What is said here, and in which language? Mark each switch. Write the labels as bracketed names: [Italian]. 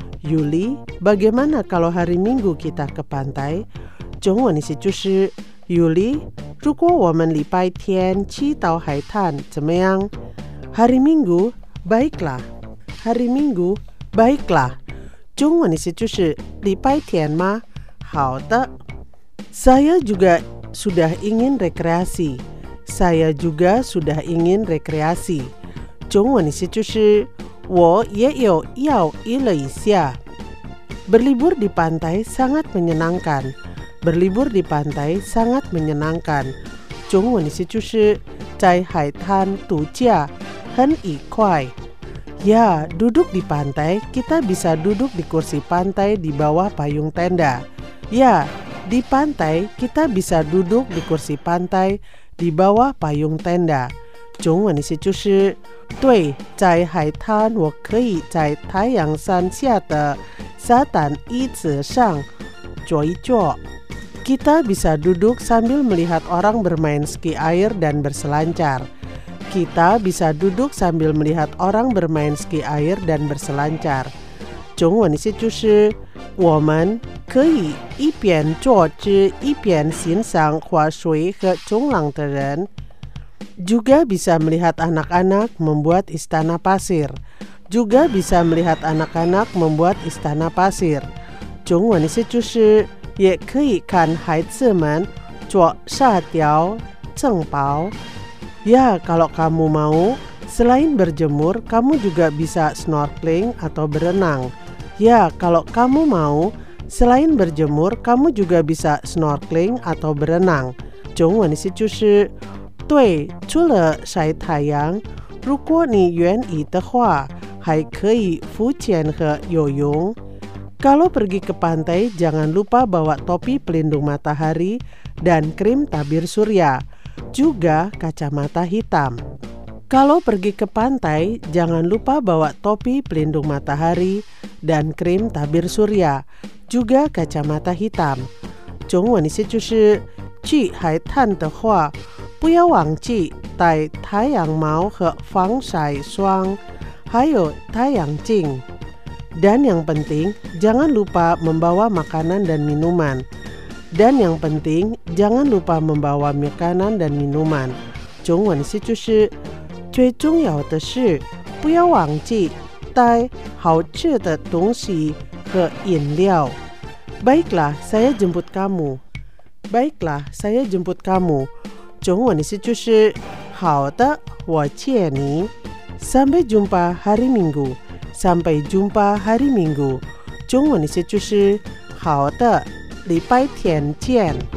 [Indonesian] Yuli, bagaimana kalau hari Minggu kita ke pantai? [Chinese] 中文意思就是 Yuli, 如果我们礼拜天去到海滩怎么样？ [Indonesian] Hari Minggu, baiklah. Hari Minggu, baiklah. [Chinese] 中文意思就是礼拜天吗？好的。 [Indonesian] Saya juga sudah ingin rekreasi. Saya juga sudah ingin rekreasi. [Chinese] 中文意思就是我也有要娱乐一下。 [Indonesian] Berlibur di pantai sangat menyenangkan. Berlibur di pantai sangat menyenangkan. [Chinese] 中文意思就是在海滩度假很愉快。 [Indonesian] Ya, duduk di pantai, kita bisa duduk di kursi pantai di bawah payung tenda. Ya, di pantai kita bisa duduk di kursi pantai di bawah payung tenda. [Chinese] 中文意思就是对，在海滩我可以在太阳伞下的沙滩椅子上坐一坐。 [Indonesian] Kita bisa duduk sambil melihat orang bermain ski air dan berselancar. Kita bisa duduk sambil melihat orang bermain ski air dan berselancar. [Chinese] 中文意思就是我们可以一边坐着一边欣赏划水和冲浪的人。 [Indonesian] Juga bisa melihat anak-anak membuat istana pasir. Juga bisa melihat anak-anak membuat istana pasir. [Chinese] 中文意思就是也可以看孩子们做沙雕正包。 [Indonesian] Ya, kalau kamu mau, selain berjemur, kamu juga bisa snorkeling atau berenang. Ya, kalau kamu mau, selain berjemur, kamu juga bisa snorkeling atau berenang. [Chinese] 中文是就是，对，除了晒太阳，如果你愿意的话，还可以浮潜和游泳。 [Indonesian] Kalau pergi ke pantai, jangan lupa bawa topi pelindung matahari dan krim tabir surya. Juga kacamata hitam. Kalau pergi ke pantai, jangan lupa bawa topi pelindung matahari dan krim tabir surya. Juga kacamata hitam. [Chinese] 中文意思就是去海滩的话，不要忘记带太阳帽和防晒霜，还有太阳镜。 [Indonesian] Dan yang penting, jangan lupa membawa makanan dan minuman. Dan yang penting, jangan lupa membawa makanan dan minuman. [Chinese] 中文是就是最重要的是不要忘记带好吃的东西和饮料。 [Indonesian] Baiklah, saya jemput kamu. Baiklah, saya jemput kamu. [Chinese] 中文是就是好的，我接你。 [Indonesian] Sampai jumpa hari Minggu. Sampai jumpa hari Minggu. [Chinese] 中文是就是好的。礼拜天见。